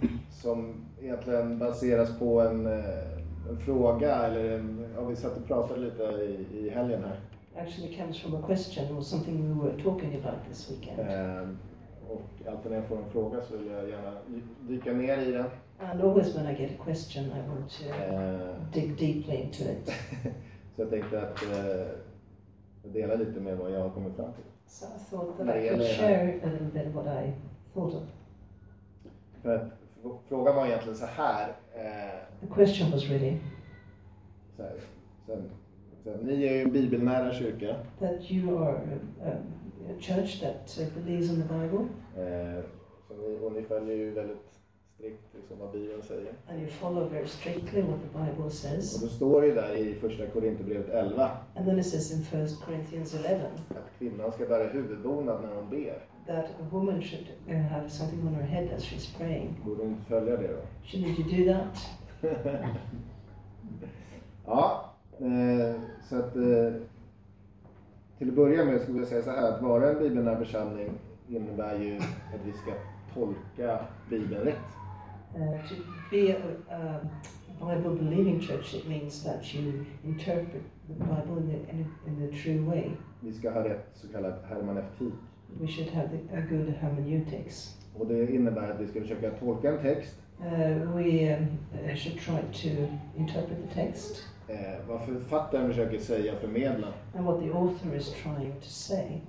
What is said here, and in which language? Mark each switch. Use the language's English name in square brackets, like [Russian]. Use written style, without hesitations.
[Swedish] Som egentligen baseras på en fråga eller vi satt och pratade lite i helgen här. [English] Actually comes from a question or something we were talking about this weekend. [Swedish] Och alltid när jag får en fråga så vill jag gärna dyka ner i den. [English] And always when I get a question I want to dig deeply into it. [Swedish] Så jag tänkte att dela lite med vad jag har kommit fram till. [English] So I thought that I could share a little bit of what I thought of. [Swedish] Frågan var egentligen så här. [English] The question was really. [Swedish] Så här, sen, ni är ju en bibelnära kyrka. [English] That you are a church that believes in the Bible. [Swedish] Och ni följer ju väldigt strikt liksom vad Bibeln säger. [English] And you follow very strictly what the Bible says. [Swedish] Och då står det där i första Korinthierbrevet 11. [English] And then it says in 1 Corinthians 11. [Swedish] Att kvinnan ska bära huvudbonad när hon ber. [English] That a woman should have something on her head as she's praying. [Swedish] Borde hon följa det då? [English] Shouldn't you do that? [Swedish] Ja, så att till att börja med skulle jag säga så här, att vara en bibelnära församling innebär ju att vi ska tolka Bibeln rätt. [English] To be a Bible believing church, it means that you interpret the Bible in a true way. [Swedish] Vi ska ha rätt så kallad hermeneutik. [English] We should have a good hermeneutics. [Swedish] Och det innebär att vi ska försöka tolka en text. [English] We should try to interpret the text. [Swedish] Vad författaren försöker säga och förmedla. [English] And what the author is trying to say.